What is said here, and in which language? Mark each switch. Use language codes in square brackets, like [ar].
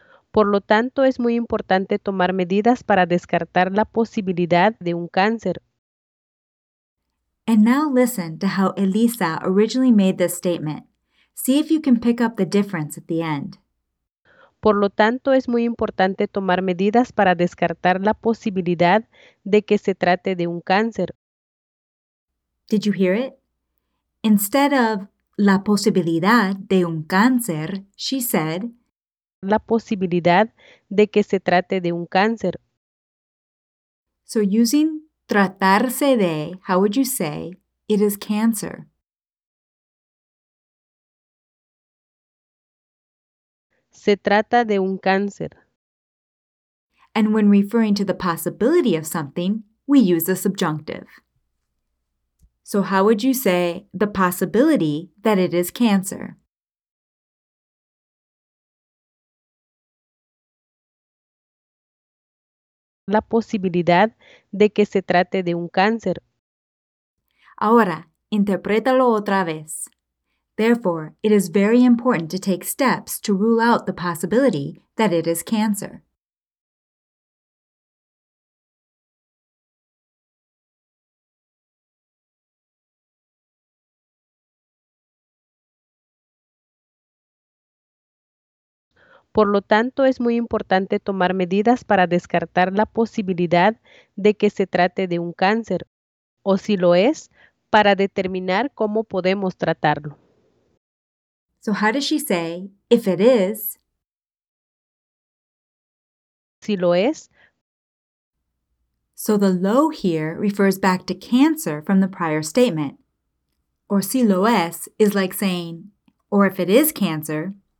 [es] Por lo tanto, es muy importante tomar medidas para descartar la posibilidad de un cáncer. [en] And now listen to how Elisa originally made this statement. See if you can pick up the difference at the end. [es] Por lo tanto, es muy importante tomar medidas para descartar la posibilidad de que se trate de un cáncer. [en] Did you hear it? Instead of [es] la posibilidad de un cáncer, [en] she said, [es] la posibilidad de que se trate de un cáncer. [en] So using tratarse de, how would you say, it is cancer? [es] Se trata de un cáncer. [en] And when referring to the possibility of something, we use a subjunctive. So how would you say the possibility that it is cancer? [es] La posibilidad de que se trate de un cáncer. Ahora, interprétalo otra vez. [en] Therefore, it is very important to take steps to rule out the possibility that it is cancer. [es] Por lo tanto, es muy importante tomar medidas para descartar la posibilidad de que se trate de un cáncer, o si lo es, para determinar cómo podemos tratarlo. [en] So how does she say, if it is? [es] Si lo es. [en] So the lo here refers back to cancer from the prior statement. Or [es] si lo es [en] is like saying, or if it is cancer.